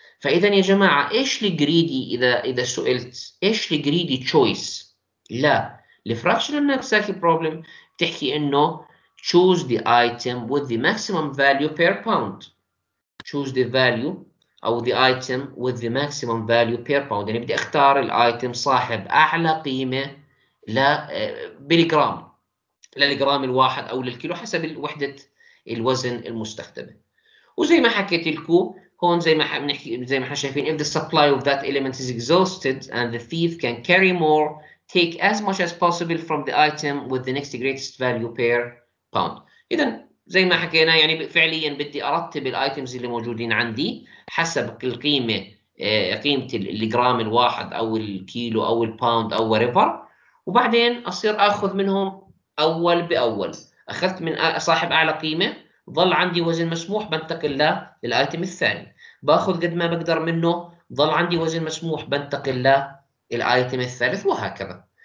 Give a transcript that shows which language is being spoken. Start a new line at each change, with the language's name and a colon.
Arabic: فاذا يا جماعه ايش الجريدي، اذا سئلت ايش الجريدي تشويس لا الفراكشنال نابساكي بروبلم، بتحكي انه
English: choose the item with the maximum value per pound، choose the value
Arabic: أو
English: the item with the maximum value per pound،
Arabic: يعني بدي أختار الايتم صاحب أعلى قيمة بالجرام، للجرام الواحد أو للكيلو حسب وحدة الوزن المستخدمة. وزي ما حكيت لكم هون، زي ما احنا شايفين
English: if the supply of that element is exhausted and the thief can carry more take as much as possible from the item with the next greatest value per pound.
Arabic: إذا زي ما حكينا يعني فعليا بدي ارتب الايتمز اللي موجودين عندي حسب القيمه، قيمه الجرام الواحد او الكيلو او الباوند او ريفر، وبعدين اصير اخذ منهم اول باول، اخذت من صاحب اعلى قيمه، ظل عندي وزن مسموح بنتقل للايتم الثاني، باخذ قد ما بقدر منه، ظل عندي وزن مسموح بنتقل للايتم الثالث، وهكذا.